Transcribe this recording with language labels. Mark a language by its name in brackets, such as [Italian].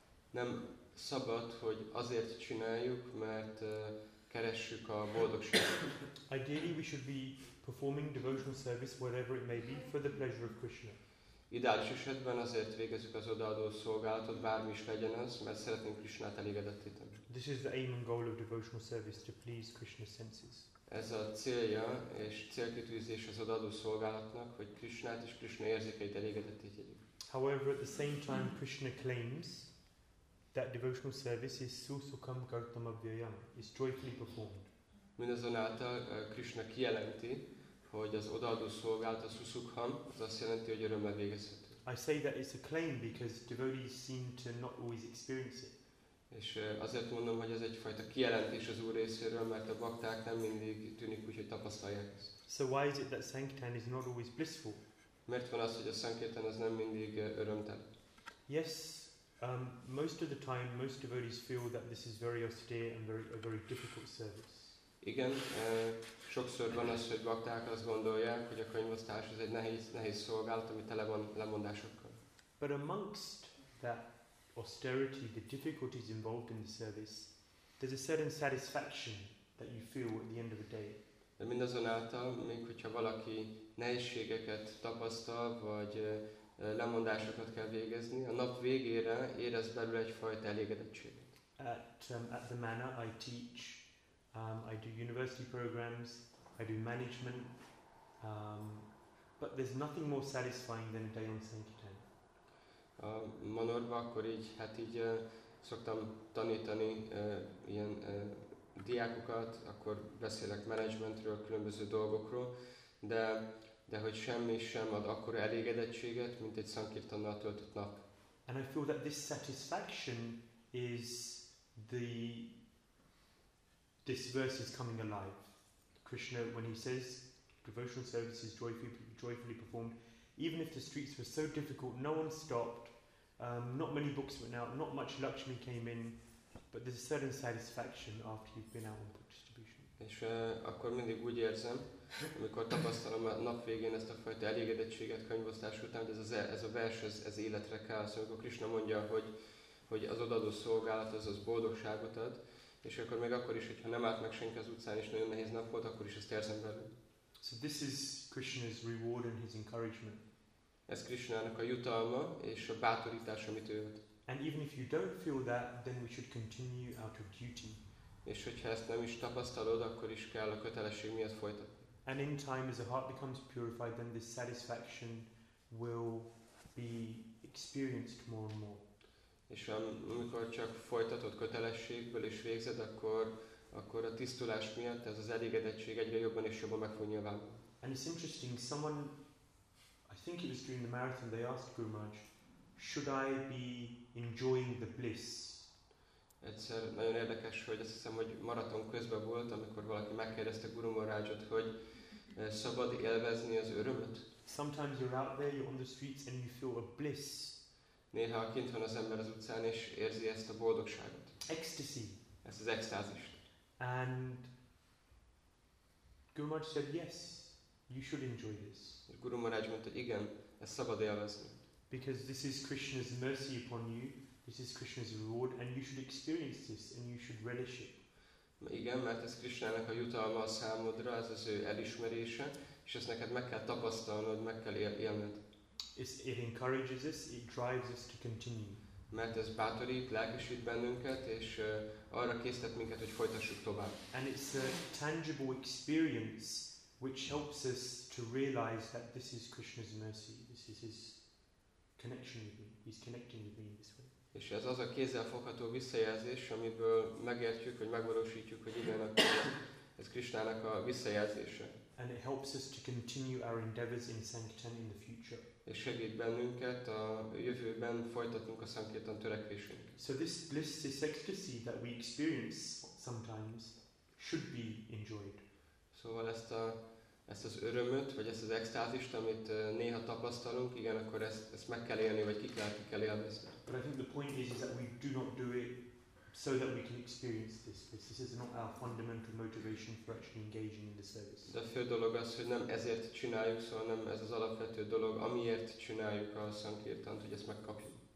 [Hungarian] Nem szabad, hogy azért csináljuk, mert keressük a boldogságot. [English] Ideally, we should be performing devotional service, whatever it may be, for the pleasure of Krishna. [Hungarian] Ideális esetben azért végezzük az odaadó szolgálatot, bármi is legyen az, mert szeretnénk Krishnát elégedettíteni. [English] This is the aim and goal of devotional service, to please Krishna's senses. [Hungarian] Ez a célja és célkitűzés az odaadó szolgálatnak, hogy Krishnát és Krishna érzékeit elégedettítjük. [English] However, at the same time, Krishna claims that devotional service is [Sanskrit] susukam kartam avyayam, [English] is joyfully performed. [Hungarian] Mindazonáltal Krishna kijelenti, hogy az odaadó szolgálat a susukham, az azt jelenti, hogy örömmel végezhető. [English] I say that it's a claim because devotees seem to not always experience it. [Hungarian] És azért mondom, hogy ez egyfajta kijelentés az Úr részéről, mert a bakták nem mindig tűnik úgy, hogy tapasztalják ezt. [English] So why is it that sankirtan is not always blissful? [Hungarian] Mert van az, hogy a sankirtan az nem mindig örömtel. [English] Yes, most of the time, most devotees feel that this is very austere and a very difficult service. [Hungarian] Igen, sokszor van az, hogy bakták azt gondolják, hogy a könyvosztás az egy nehéz szolgálat, ami tele van lemondásokkal. [English] But amongst that austerity, the difficulties involved in the service, there's a certain satisfaction that you feel at the end of the day. [Hungarian] De mindazonáltal, még hogyha valaki nehézségeket tapasztal, vagy lemondásokat kell végezni, a nap végére érez belőle egyfajta elégedettséget. [English] At the manor, I teach. I do university programs, I do management, but there's nothing more satisfying than a day on Sankirtan. [Hungarian] Manorban akkor így, hát így szoktam tanítani ilyen diákokat, akkor beszélek managementről, különböző dolgokról, de hogy semmi sem ad akkora elégedettséget, mint egy Sankirtannal töltött nap. [English] And I feel that this satisfaction is the... This verse is coming alive. Krishna, when he says devotional service is joyfully performed, even if the streets were so difficult, no one stopped, not many books went out, not much Lakshmi came in, but there's a certain satisfaction after you've been out on book distribution. [Hungarian] És akkor mindig úgy érzem, amikor tapasztalom a nap végén ezt a fajta elégedettséget könyvosztás után, hogy ez a vers, ez életre kell, szóval amikor Krishna mondja, hogy az odaadó szolgálat, az boldogságot ad, és akkor még akkor is, hogyha nem állt meg senki az utcán, és nagyon nehéz nap volt, akkor is ezt érzem belőle. [English] So this is Krishna's reward and his encouragement. [Hungarian] Ez Krishnának a jutalma és a bátorítás, amit ő ad. [English] And even if you don't feel that, then we should continue out of duty. [Hungarian] És hogyha ezt nem is tapasztalod, akkor is kell a kötelesség miatt folytatni. [English] And in time, as a heart becomes purified, then this satisfaction will be experienced more and more. [Hungarian] És amikor csak folytatott kötelességből is végzed, akkor a tisztulás miatt ez az elégedettség egyre jobban és jobban meg fog nyilvánulni. [English] And it's interesting, someone, I think it was during the marathon, they asked Guru Maharaj, should I be enjoying the bliss? [Hungarian] Egyszer nagyon érdekes, hogy azt hiszem, hogy maraton közben volt, amikor valaki megkérdezte Guru Maharajot, hogy szabad élvezni az örömöt? [English] Sometimes you're out there, you're on the streets and you feel a bliss. [Hungarian] Néha kint van az ember az utcán és érzi ezt a boldogságot. [English] Ecstasy. [Hungarian] Ez az extázist. [English] And Guru Maharaj said, yes, you should enjoy this. [Hungarian] Guru Maharaj mondta, igen, ezt szabad élvezni. [English] Because this is Krishna's mercy upon you, this is Krishna's reward, and you should experience this, and you should relish it. [Hungarian] Igen, mert ez Krishnának a jutalma a számodra, ez az ő elismerése, és ezt neked meg kell tapasztalnod, meg kell élned. [English] It encourages us, it drives us to continue. [Hungarian] Mert ez bátorít, lelkesít bennünket, és arra késztet minket, hogy folytassuk tovább. [English] And it's a tangible experience which helps us to realize that this is Krishna's mercy, this is his connection with me, he's connecting with me in this way. [Hungarian] És ez az a kézzelfogható visszajelzés, amiből megértjük, vagy megvalósítjuk, hogy igen, ez Krishnának a visszajelzése. [English] and it helps us to continue our endeavors in sankirtan in the future. [Hungarian] És segít bennünket a jövőben folytatunk a sankirtan törekvésünket. [English] So this bliss, this ecstasy that we experience sometimes should be enjoyed. [Hungarian] Szóval ezt az örömöt, vagy ezt az extázist, amit néha tapasztalunk, igen, akkor ezt meg kell élni, vagy ki kell élvezni. [English] But I think the point is that we do not do it so that we can experience this. This is not our fundamental motivation for actually engaging in the service. [Hungarian] De a fő dolog az, hogy nem ezért csináljuk, szóval nem ez az alapvető dolog, amiért csináljuk a sankirtant, hogy ezt megkapjuk.